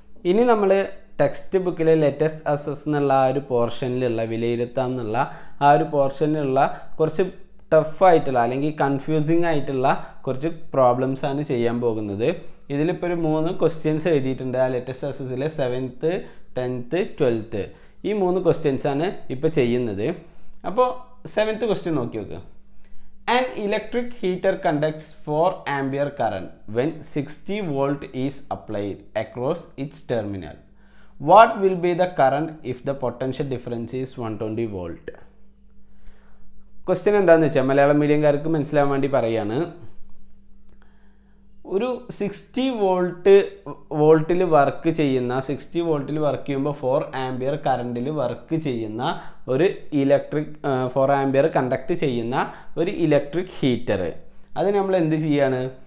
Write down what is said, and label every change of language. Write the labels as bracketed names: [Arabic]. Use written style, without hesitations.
[Malayalam] ഇനി നമ്മൾ ടെക്സ്റ്റ് ബുക്കിലെ ലേറ്റസ്റ്റ് അസസ് എന്നുള്ള ആ ഒരു പോർഷനിലുള്ള വിലയിരുത്താം എന്നുള്ള ആ ഒരു പോർഷനിലുള്ള കുറച്ച് ടഫായിട്ടുള്ള അല്ലെങ്കിൽ കൺഫ്യൂസിംഗ് ആയിട്ടുള്ള കുറച്ച് പ്രോബ്ലംസാണ് ചെയ്യാൻ പോകുന്നത്. ഇതിലിപ്പോൾ ഒരു മൂന്ന് ക്വസ്റ്റ്യൻസ് എഴുതിയിട്ടുണ്ട് ആ ലേറ്റസ്റ്റ് അസസ്സിലെ 7th, 10th, 12th ഈ മൂന്ന് ക്വസ്റ്റ്യൻസാണ് ഇപ്പോൾ ചെയ്യുന്നത്. അപ്പോൾ 7th ക്വസ്റ്റ്യൻ നോക്കി നോക്ക്. [English] An electric heater conducts 4 ampere current when 60 volt is applied across its terminal. What will be the current if the potential difference is 120 volt? [Malayalam] Question എന്താണെന്ന് വെച്ചാൽ മലയാളം മീഡിയംകാർക്ക് മനസ്സിലാവാൻ വേണ്ടി പറയുകയാണ്. ഒരു 60 volt വർക്ക് ചെയ്യുന്ന 60 volt വർക്ക് ചെയ്യുമ്പോൾ 4 ampere കറണ്ടിൽ വർക്ക് ചെയ്യുന്ന ഒരു ഇലക്ട്രിക് 4 ampere കണ്ടക്ട് ചെയ്യുന്ന ഒരു ഇലക്ട്രിക് ഹീറ്റർ അതിന് നമ്മൾ എന്ത് ചെയ്യാണ്?